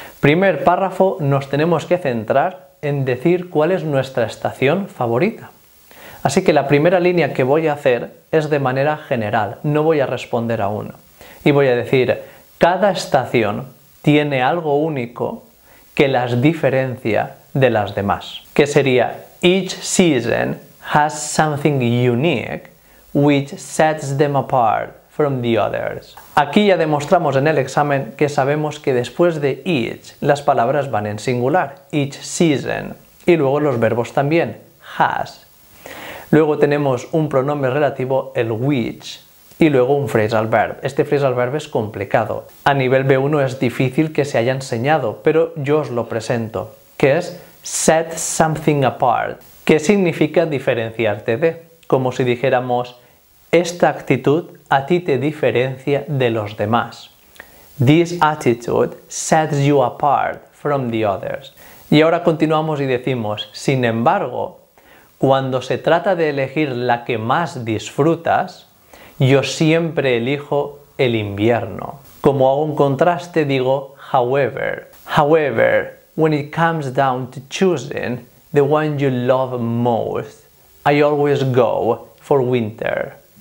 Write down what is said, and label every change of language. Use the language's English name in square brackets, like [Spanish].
[Spanish] Primer párrafo, nos tenemos que centrar en decir cuál es nuestra estación favorita. Así que la primera línea que voy a hacer es de manera general, no voy a responder aún. Y voy a decir, cada estación tiene algo único que las diferencia de las demás. Que sería, [English] each season has something unique which sets them apart from the others. [Spanish] Aquí ya demostramos en el examen que sabemos que después de each, las palabras van en singular, [English] each season, [Spanish] y luego los verbos también, has. Luego tenemos un pronombre relativo, el which, y luego un phrasal verb. Este phrasal verb es complicado. A nivel B1 es difícil que se haya enseñado, pero yo os lo presento, que es [English] set something apart, [Spanish] que significa diferenciarte de, como si dijéramos, esta actitud a ti te diferencia de los demás. [English] This attitude sets you apart from the others. [Spanish] Y ahora continuamos y decimos, sin embargo, cuando se trata de elegir la que más disfrutas, yo siempre elijo el invierno. Como hago un contraste, digo, however. [English] However, when it comes down to choosing the one you love most, I always go for winter.